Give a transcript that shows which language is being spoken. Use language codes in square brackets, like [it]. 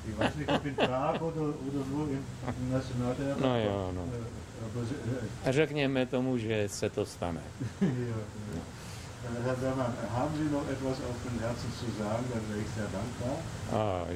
[de] Ich weiß nicht, ob in Prag oder nur im Nationaltheater. No, ja, no. [cs] Řekněme tomu, že se to stane. [de] Herr Berman, haben Sie noch etwas auf dem Herzen zu sagen? Dann wäre ich sehr dankbar.